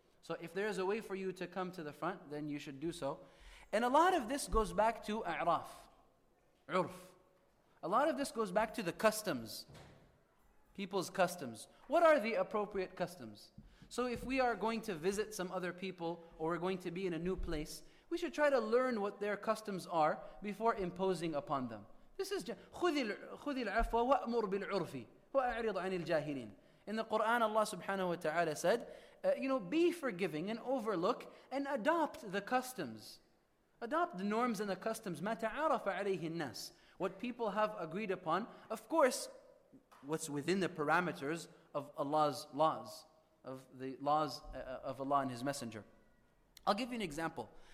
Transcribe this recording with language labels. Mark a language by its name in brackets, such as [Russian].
[English] So if there is a way for you to come to the front, then you should do so. And a lot of this goes back to a'raf, urf. A lot of this goes back to the customs, people's customs. What are the appropriate customs? So if we are going to visit some other people, or we're going to be in a new place, we should try to learn what their customs are before imposing upon them. This is [Arabic] خُذِ الْعَفْوَ وَأْمُرْ بِالْعُرْفِ وَأَعْرِضْ عَنِ الْجَاهِلِينَ. [English] In the Quran, Allah subhanahu wa ta'ala said, be forgiving and overlook and adopt the customs. Adopt the norms and the customs. [Arabic] مَا تَعَارَفَ عَلَيْهِ النَّاسِ. [English] What people have agreed upon, of course, what's within the parameters of Allah's laws, of the laws of Allah and His Messenger. I'll give you an example.